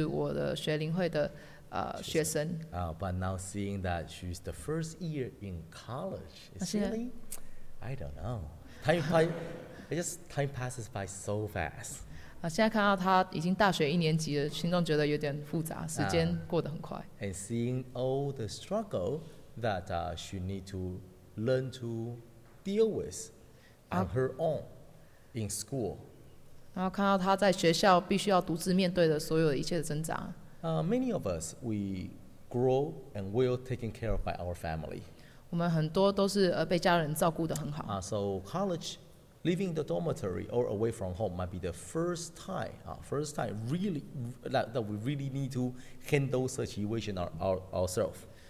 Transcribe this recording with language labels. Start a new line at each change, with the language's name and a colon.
Chinese: 那她的哥哥其实是我的学龄会的学生。
English: But now seeing that she's the first year in college, is really? I don't know. Time passes by so fast.
Chinese: 现在看到她已经大学一年级了，心中觉得有点复杂，时间过得很快。
English: And seeing all the struggle that she need to learn to deal with on her own in school.
Chinese: 然后看到她在学校必须要独自面对的所有的一切的挣扎。
English: Many of us, we grow and well taken care of by our family.
Chinese: 我们很多都是被家人照顾得很好。
English: So college, living in the dormitory or away from home might be the first time really that we really need to handle such situation ourselves.